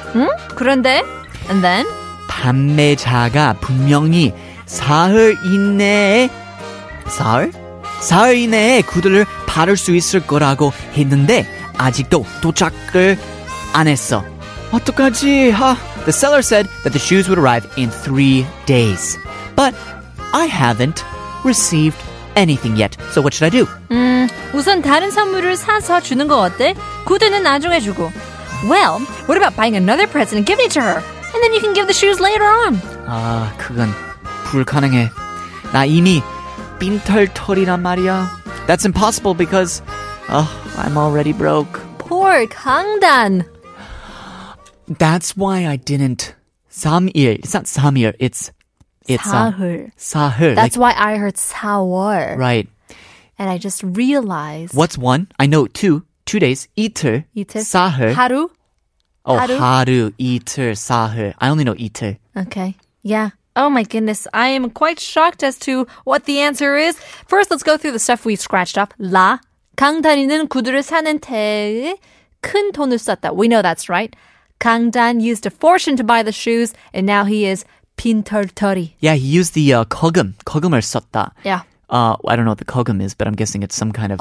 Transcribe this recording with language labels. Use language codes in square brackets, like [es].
[ko] 응? 그런데? [en] And then? [ko] 판매자가 분명히 사흘 이내에 구두를 받을 수 있을 거라고 했는데 아직도 도착을 안 했어. 어떡하지? [en] The seller said that the shoes would arrive in 3 days. But I haven't received anything yet. So what should I do? [ko] 우선 다른 선물을 사서 주는 거 어때? 구두는 나중에 주고. [en] Well, what about buying another present and giving it to her? And then you can give the shoes later on. [ko] 아, 그건 불가능해. 나 이미 빈털털이란 말이야. [en] That's impossible because I'm already broke. Poor 강단. That's why I didn't. 3일. It's not 3일. It's [ko] 사흘. 사흘. [en] That's like, why I heard 4월. Right. And I just realized. What's one? I know two. 2 days. 이틀. [ko] 이틀. 사흘. 하루. [en] Oh, 하루. 이틀. 사흘. I only know 이틀. Okay. Yeah. Oh my goodness. I am quite shocked as to what the answer is. First, let's go through the stuff we scratched off. [ko] 라. 강단이는 구두를 사는 데에 큰 돈을 썼다. [en] We know that's right. 강단 used a fortune to buy the shoes, and now he is 빈털터리. Yeah, he used the 거금. [ko] 거금을 썼다. [en] Yeah. I don't know what the kogum is, but I'm guessing it's some kind of...